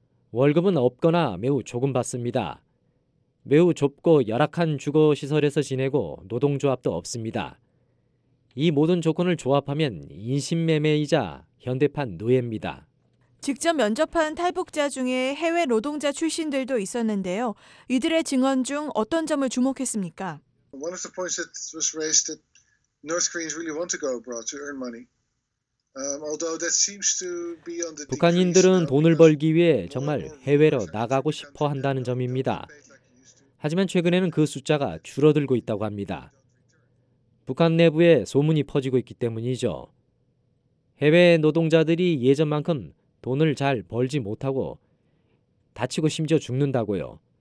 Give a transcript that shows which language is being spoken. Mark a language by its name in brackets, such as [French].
[Korean] 월급은 없거나 매우 조금 받습니다. 매우 좁고 열악한 주거시설에서 지내고 노동조합도 없습니다. 이 모든 조건을 조합하면 인신매매이자 현대판 노예입니다. 직접 면접한 탈북자 중에 해외 노동자 출신들도 있었는데요. 이들의 증언 중 어떤 점을 주목했습니까? [English] One of the points that was raised that North Koreans really want to go abroad to earn money. Although that seems to be on the [Korean] 북한인들은 돈을 벌기 위해 정말 해외로 나가고 싶어 한다는 점입니다. 하지만 최근에는 그 숫자가 줄어들고 있다고 합니다. 북한 내부에 소문이 퍼지고 있기 때문이죠. 해외 노동자들이 예전만큼 돈을 잘 벌지 못하고 다치고 심지어 죽는다고요.